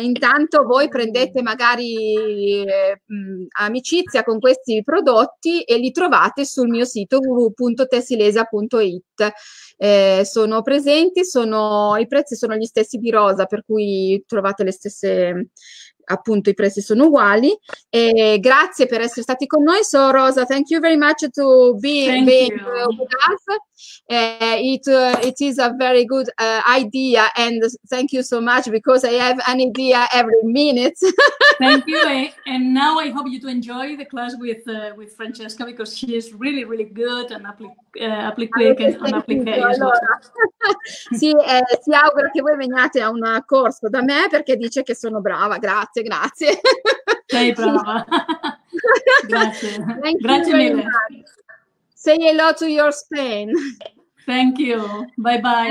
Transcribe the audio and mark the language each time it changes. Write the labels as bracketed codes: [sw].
[it] Intanto voi prendete magari amicizia con questi prodotti e li trovate sul mio sito www.tessilesa.it. Sono presenti, i prezzi sono gli stessi di Rosa, per cui trovate le stesse, appunto i prezzi sono uguali. Grazie per essere stati con noi. [en] So Rosa, thank you very much to be with us. It is a very good idea and thank you so much because I have an idea every minute. Thank you, and now I hope you to enjoy the class with Francesca because she is really really good and applique and applique. [it] Allora. Sì, si augura che voi veniate a un corso da me perché dice che sono brava. Grazie, grazie. Sei brava. Grazie. Grazie mille. [en] Say hello to your Spain. Thank you. Bye bye.